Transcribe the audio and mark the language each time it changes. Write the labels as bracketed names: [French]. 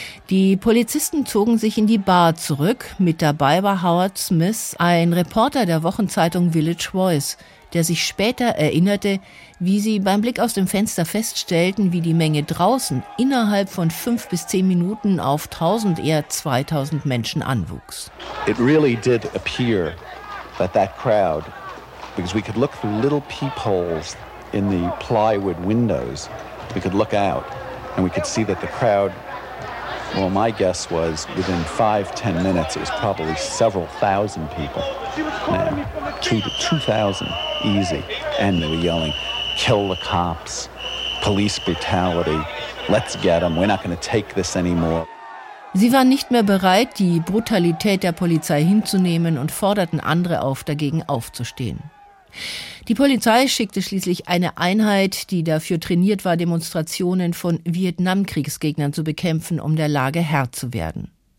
[German] Die Polizisten zogen sich in die Bar zurück, mit dabei war Howard Smith, ein Reporter der Wochenzeitung Village Voice, der sich später erinnerte, wie sie beim Blick aus dem Fenster feststellten, wie die Menge draußen innerhalb von 5 bis 10 Minuten auf 1.000, eher 2.000 Menschen anwuchs. [English] It really did appear that that crowd, because we could look through little peepholes in the plywood windows, we could look out and we could see that the crowd, well, my guess was within 5-10 minutes it was probably several thousand people. Now, 2,000 easy. And they were yelling, kill the cops, police brutality, let's get them, we're not going to take this anymore. [German] Sie waren nicht mehr bereit, die Brutalität der Polizei hinzunehmen und forderten andere auf, dagegen aufzustehen. Die Polizei schickte schließlich eine Einheit, die dafür trainiert war, Demonstrationen von Vietnamkriegsgegnern zu bekämpfen, um der Lage Herr zu werden.